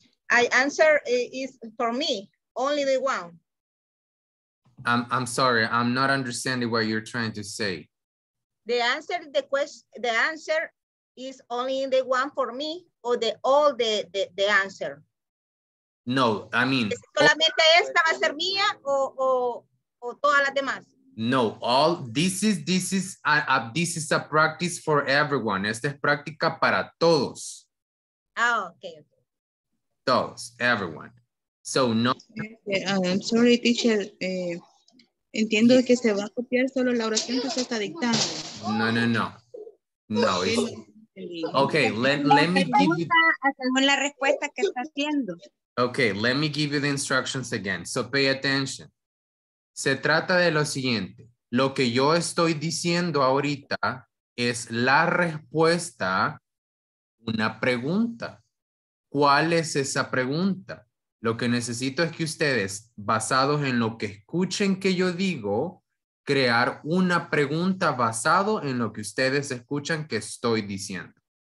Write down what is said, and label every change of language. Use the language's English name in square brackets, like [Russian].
[English] I answer is for me, only the one. I'm sorry. I'm not understanding what you're trying to say. The answer, the question, the answer is only the one for me. Or the all the answer. No, I mean. [Spanish] Solamente esta va a ser mía o todas las demás. [English] No, all this is a practice for everyone. [Spanish] Esta es práctica para todos. [English] Ah, okay. [Spanish] Todos, [English] everyone. So no. I'm sorry, teacher. [Spanish] Entiendo que se va a copiar solo la oración que se está dictando. [English] No. Okay, let me give you [Spanish] la respuesta que está haciendo. [English] Okay, let me give you the instructions again. So pay attention. [Spanish] Se trata de lo siguiente. Lo que yo estoy diciendo ahorita es la respuesta a una pregunta. ¿Cuál es esa pregunta? Lo que necesito es que ustedes, basados en lo que escuchen que yo digo, crear una pregunta basado en lo que ustedes escuchan que estoy diciendo.